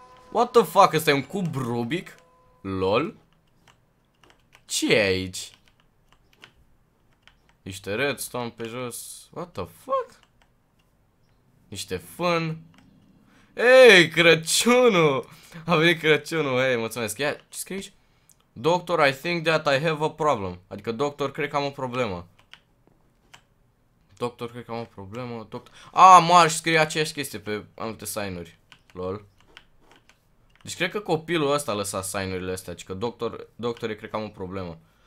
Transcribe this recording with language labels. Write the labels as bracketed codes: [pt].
[en] What the fuck? [ro] Ăsta e un cub Rubik? Lol? Ce e aici? Niște redstone pe jos. [en] What the fuck? [ro] Niște fân. Ei, Crăciunul! A venit Crăciunul, ei, mulțumesc. Ia, ce scrie aici? [en] Doctor, I think that I have a problem. [ro] Adică, doctor, cred că am o problemă. Doctor, cred că am o problemă. Doctor... A, marș, scrie aceeași chestie pe alte sign-uri. Lol. Deci, cred că copilul ăsta a lăsat sign-urile astea. Adică, doctor, doctor, cred că am o problemă.